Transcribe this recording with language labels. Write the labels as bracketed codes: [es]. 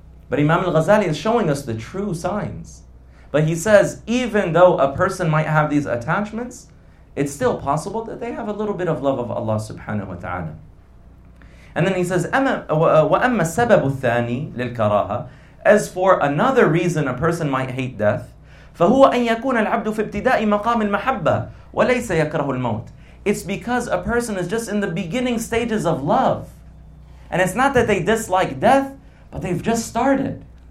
[en] But Imam al-Ghazali is showing us the true signs. But he says, even though a person might have these attachments, it's still possible that they have a little bit of love of Allah subhanahu wa ta'ala. And then he says, [ar] وَأَمَّا السَّبَبُ الثَّانِي لِلْكَرَاهَ. [en] As for another reason a person might hate death, [ar] فَهُوَ أَنْ يَكُونَ الْعَبْدُ فِي ابْتِدَاءِ مَقَامِ الْمَحَبَّةِ وَلَيْسَ يَكْرَهُ الْمَوْتِ. [en] It's because a person is just in the beginning stages of love. And it's not that they dislike death, but they've just started.